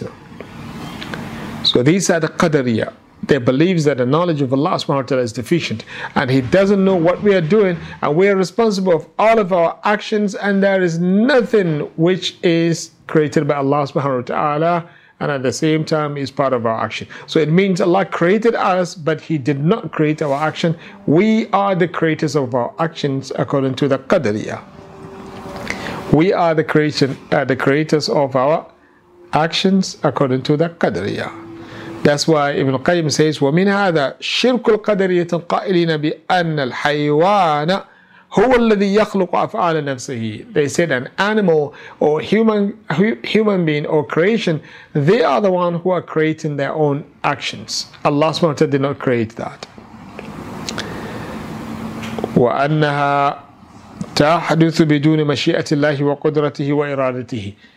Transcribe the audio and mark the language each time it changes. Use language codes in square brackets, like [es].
[en] You know. So these are the Qadariya. They believe that the knowledge of Allah subhanahu wa ta'ala is deficient, and He doesn't know what we are doing, and we are responsible for all of our actions, and there is nothing which is created by Allah subhanahu wa ta'ala, and at the same time is part of our action. So it means Allah created us, but He did not create our action. We are the creators of our actions, according to the Qadariya. We are the creators of our actions, according to the Qadariya. That's why Ibn Qayyim says, [ar] وَمِنْ هَذَا شِرْكُ الْقَدَرِيَةُ قَائِلِينَ بِأَنَّ الْحَيْوَانَ هُوَ الَّذِي يَخْلُقُ أَفْعَالَ نَفْسِهِ. [en] They said an animal or human being or creation, they are the one who are creating their own actions. Allah subhanahu wa ta'ala did not create that. [ar] وَأَنَّهَا تَحْدُثُ بِدُونِ مَشِيئَةِ اللَّهِ وَقُدْرَتِهِ وَإِرَادَتِهِ.